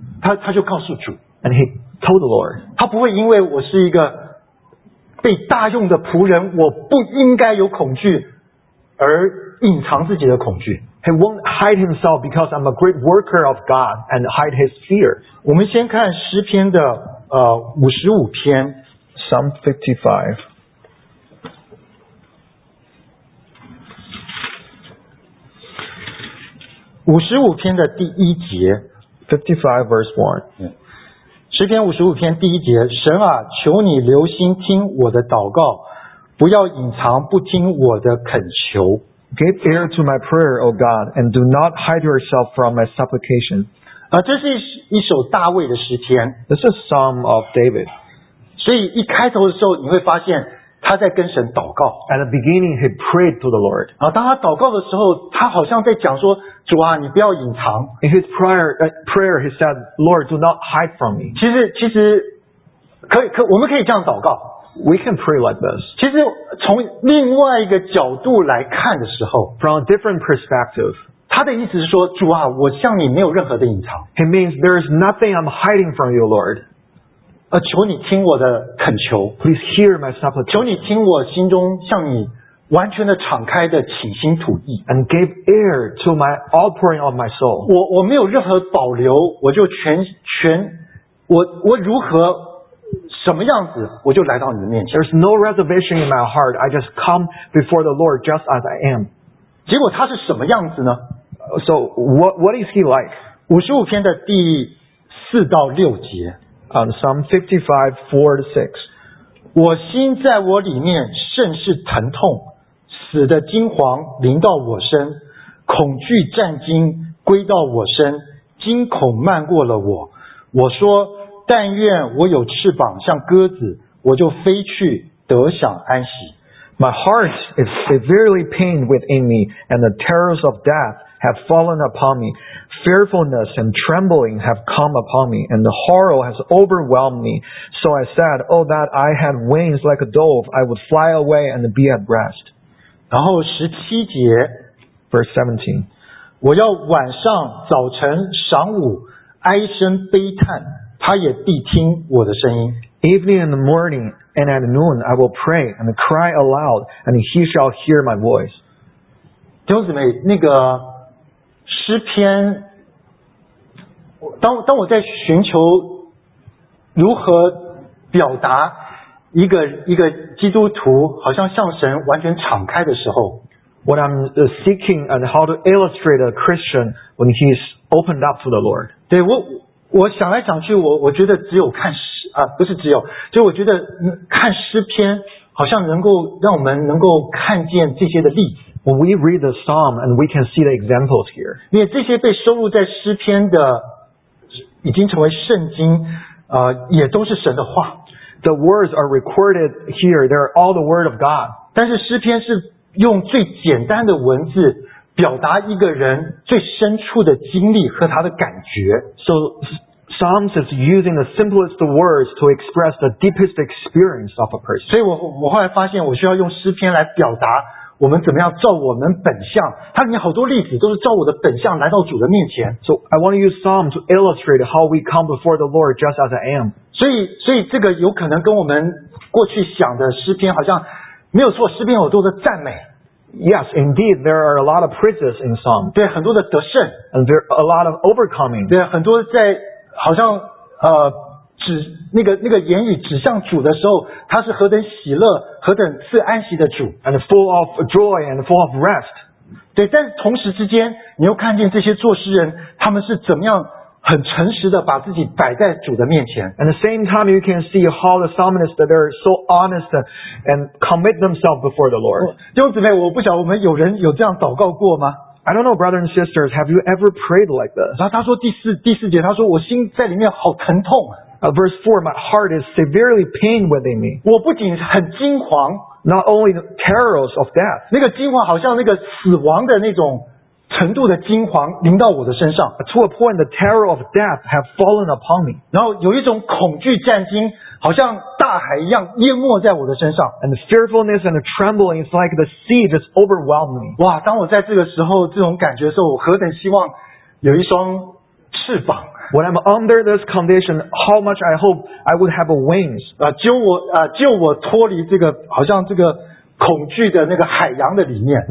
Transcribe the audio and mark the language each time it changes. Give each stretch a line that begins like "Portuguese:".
Chinese: 他就告诉主
English: ，and he told the Lord,
Chinese: 他不会因为我是一个被大用的仆人，我不应该有恐惧而隐藏自己的恐惧。
English: He won't hide himself because I'm a great worker of God and hide his fear.
Chinese: 我们先看诗篇的55篇
English: ，Psalm 55.
Chinese: 五十五篇的第一节
English: 55 verse 1
Chinese: 诗篇五十五篇第一节，神啊，求你留心听我的祷告，不要隐藏不听我的恳求。
English: Give ear to my prayer, O God, and do not hide yourself from my supplication.
Chinese: 这是一首大卫的诗篇。
English: This is a psalm of David.
Chinese: 所以一开头的时候你会发现他在跟神祷告。
English: At the beginning, he prayed to the Lord.
Chinese: 当他祷告的时候，他好像在讲说，主啊，你不要隐藏。
English: In his prayer, he said, Lord, do not hide from me.
Chinese: 其实可以我们可以这样祷告。
English: We can pray like this.
Chinese: 其实从另外一个角度来看的时候，
English: From a different perspective,
Chinese: 他的意思是说，主啊，我向你没有任何的隐藏。
English: He means, there is nothing I'm hiding from you, Lord.
Chinese: 求你听我的恳求。
English: Please hear my supplication.
Chinese: 求你听我心中向你完全的敞开的倾心吐意。
English: And give ear to my outpouring of my soul.
Chinese: 我没有任何保留，我就全我如何什么样子，我就来到你的面前。
English: There's no reservation in my heart. I just come before the Lord just as I am.
Chinese: 结果他是什么样子呢？
English: So what is he like?
Chinese: 55篇的第四到六节。
English: Psalm 55:4-6.
Chinese: 我心在我里面甚是疼痛，死的惊惶临到我身，恐惧战惊归到我身，惊恐漫过了我。我说，但愿我有翅膀像鸽子，我就飞去得享安息。
English: My heart is severely pained within me, and the terrors of death have fallen upon me. Fearfulness and trembling have come upon me, and the horror has overwhelmed me. So I said, Oh, that I had wings like a dove, I would fly away and be at rest.
Chinese: 然后十七节
English: Verse 17.
Chinese: 我要晚上早晨晌午哀声悲叹，他也必听我的声音。
English: Evening and the morning and at noon I will pray and cry aloud, and he shall hear my voice.
Chinese: 弟兄姊妹，那个诗篇，当我在寻求如何表达一个基督徒好像向神完全敞开的时候
English: ，What I'm seeking and how to illustrate a Christian when he's opened up to the Lord
Chinese: 对。对我想来想去，我觉得只有看诗啊，不是只有，就我觉得看诗篇好像能够让我们能够看见这些的例子。
English: When we read the Psalm and we can see the examples here，
Chinese: 因为这些被收录在诗篇的已经成为圣经，也都是神的话。
English: The words are recorded here. They are all the word of God.
Chinese: 但是诗篇是用最简单的文字表达一个人最深处的经历和他的感觉。
English: So Psalms is using the simplest words to express the deepest experience of a person.
Chinese: 所以我后来发现我需要用诗篇来表达我们怎么样照我们本相。他里面好多例子都是照我的本相来到主的面前。
English: So I want to use Psalm to illustrate how we come before the Lord just as I am.
Chinese: 所以这个有可能跟我们过去想的诗篇好像没有错，诗篇有很多的赞美。
English: Yes, indeed, there are a lot of praises in Psalm.
Chinese: 对，很多的得胜。
English: And there are a lot of overcoming.
Chinese: 对，很多在好像指那个言语指向主的时候，他是何等喜乐，何等赐安息的主。
English: And full of joy and full of rest.
Chinese: 对，但是同时之间，你又看见这些作诗人他们是怎么样。很诚实的把自己摆在主的面前。
English: At the same time, you can see how the psalmists are so honest and commit themselves before the Lord.
Chinese: 弟兄姊妹，我不晓得我们有人有这样祷告过吗
English: ？I don't know, brothers and sisters, have you ever prayed like this?
Chinese: 然后他说第四节，他说我心在里面好疼痛。
English: Verse 4, my heart is severely pained within me.
Chinese: 我不仅很惊惶
English: ，not only the terrors of death.
Chinese: 那个惊惶好像那个死亡的那种。程度的惊惶临到我的身上
English: To a point the terror of death have fallen upon me
Chinese: 然后有一种恐惧战惊好像大海一样淹没在我的身上
English: And the fearfulness and the trembling is like the sea just overwhelmed me
Chinese: 哇当我在这个时候这种感觉的时候我何等希望有一双翅膀
English: When I'm under this condition how much I hope I would have a wings
Chinese: 救我脱离这个好像这个恐惧的那个海洋的里面